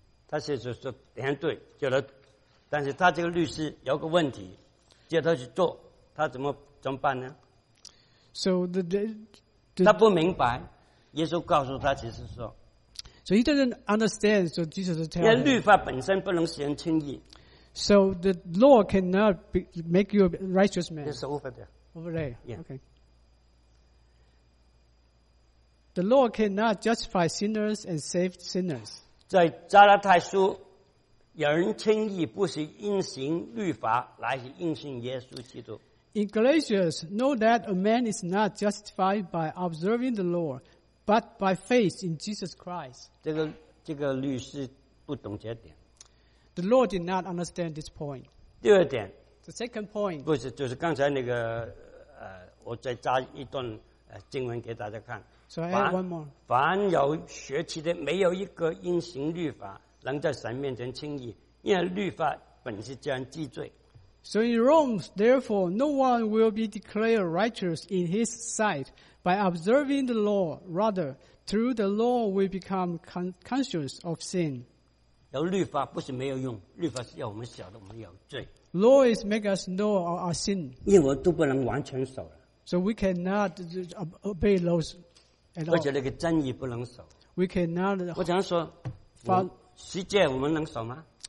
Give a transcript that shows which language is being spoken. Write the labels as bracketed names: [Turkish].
[Chinese] 他是说等下对叫他但是他这个律师有个问题叫他去做他怎么办呢 [English] So the [Chinese] 他不明白，耶稣告诉他，其实说。 [English] So he doesn't understand. So Jesus is telling. [Chinese] 因为律法本身不能使人称义。 [English] So the law cannot make you a righteous man. It's over there. Over there. Yeah. Okay. The law cannot justify sinners and save sinners. [Chinese] 在加拉太书，有人称义不是因行律法，乃是因信耶稣基督。 [English] In Galatians, know that a man is not justified by observing the law, but by faith in Jesus Christ. [Chinese] 这个律师不懂这点。 [English] The law did not understand this point. [Chinese] 第二点。 [English] The second point. [Chinese] 不是，就是刚才那个我再加一段经文给大家看。 [English] So I add one more. [Chinese] 凡有血气的，没有一个因行律法能在神面前称义，因为律法本是将既罪。 [English] So in Rome, therefore, no one will be declared righteous in his sight by observing the law. Rather, through the law, we become conscious of sin. [Chinese] 有律法不是没有用，律法是要我们晓得我们有罪。 [English] Law is make us know our sin. [Chinese] 因为我都不能完全守了。 [English] So we cannot obey laws at all. [Chinese] 而且那个真义不能守。 [English] We cannot. [Chinese] 我想说，十诫我们能守吗？